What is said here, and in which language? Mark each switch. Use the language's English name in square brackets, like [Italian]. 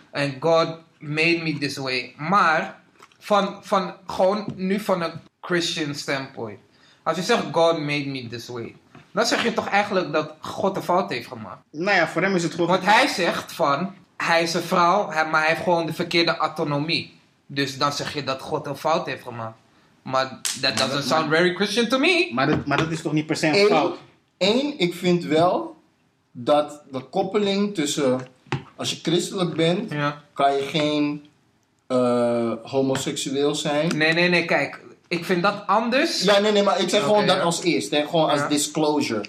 [English] And God made me this way. [Dutch] Maar, van gewoon nu van een Christian standpoint. Als je zegt, [English] God made me this way. [Dutch] Dan zeg je toch eigenlijk dat God de fout heeft gemaakt. Nou ja, voor hem is het gewoon... Want hij zegt van, hij is een vrouw, maar hij heeft gewoon de verkeerde autonomie. Dus dan zeg je dat God een fout heeft gemaakt. [English] Maar that doesn't sound very Christian to me. [Dutch] Maar dat is toch niet per se een fout? Eén, ik vind wel... Dat de koppeling tussen, als je christelijk bent, ja, kan je geen homoseksueel zijn. Nee, kijk, ik vind dat anders. Ja, nee, maar ik zeg gewoon dat als eerst, hè, gewoon als disclosure.